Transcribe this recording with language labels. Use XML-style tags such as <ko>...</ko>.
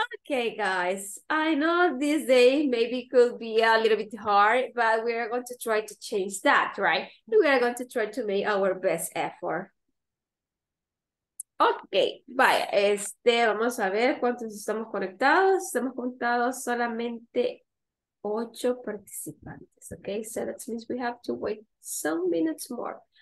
<en>Okay, guys, I know this day maybe could be a little bit hard, but we are going to try to change that, right? We are going to try to make our best effort.</en> <es>Okay, vaya, vamos a ver cuántos estamos conectados. Estamos conectados solamente 8 participantes, okay?</es> <en>So that means we have to wait some minutes more.</en>